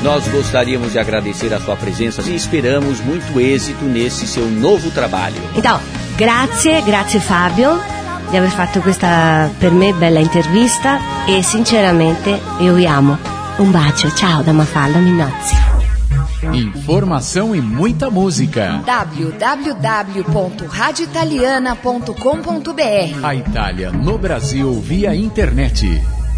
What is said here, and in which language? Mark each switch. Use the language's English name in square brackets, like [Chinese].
[Portuguese] Nós gostaríamos de agradecer a sua presença e esperamos muito êxito nesse seu novo trabalho. Então, [Italian] grazie, grazie Fabio di aver fatto questa per me bella intervista e sinceramente io vi amo. [Portuguese] Um bacio, tchau, da Mafalda Minozzi. Informação e muita música. www.radioitaliana.com.br. A Itália no Brasil via internet.